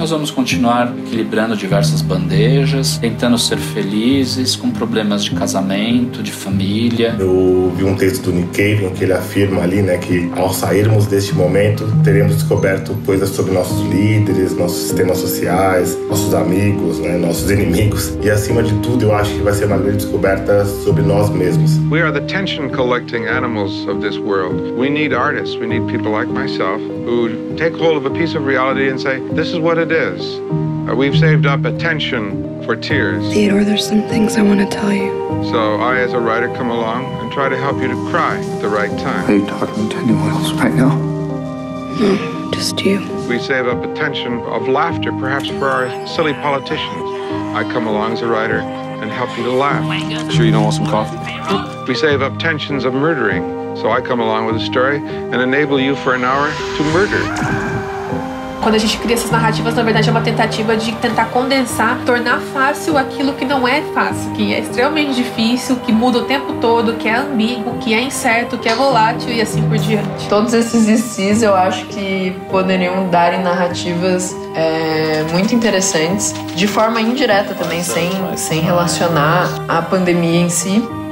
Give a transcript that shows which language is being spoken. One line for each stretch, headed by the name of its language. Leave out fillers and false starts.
Portuguese: Nós vamos continuar equilibrando diversas bandejas, tentando ser felizes com problemas de casamento, de família. Eu vi um texto do Nikkei em que ele afirma ali, né, que ao sairmos deste momento teremos descoberto coisas sobre nossos líderes, nossos sistemas sociais, nossos amigos, né, nossos inimigos. E acima de tudo, eu acho que vai ser uma grande descoberta sobre nós mesmos.
English: We are the tension collecting animals of this world. We need artists, we need people like myself who take hold of a piece of reality and say, this is what it is. We've saved up attention for tears. Theodore, there's some things I want to tell you. So I, as a writer, come along and try to help you to cry at the right time. Are you talking to anyone else right now? No. just you. We save up attention of laughter, perhaps for our silly politicians. I come along as a writer and help you to laugh. Sure you don't want some coffee? We save up tensions of murdering, so I come along with a story and enable you for an hour to murder.
Portuguese: Quando a gente cria essas narrativas, na verdade, é uma tentativa de tentar condensar, tornar fácil aquilo que não é fácil, que é extremamente difícil, que muda o tempo todo, que é ambíguo, que é incerto, que é volátil e assim por diante. Todos esses esses eu acho que poderiam dar em narrativas muito interessantes, de forma indireta também, sem relacionar a pandemia em si.